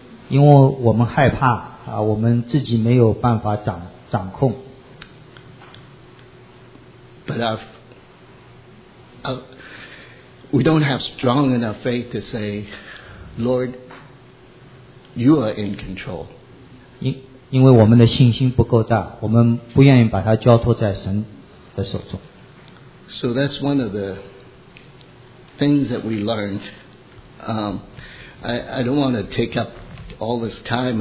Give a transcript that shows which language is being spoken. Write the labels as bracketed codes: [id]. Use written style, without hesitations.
[zh] 因为我们害怕我们自己没有办法掌控。 [en] But we don't have strong enough faith to say, Lord, you are in control. [zh] 因为我们的信心不够大，我们不愿意把它交托在神的手中。 [en] So that's one of the things that we learned. I don't want to take up all this time.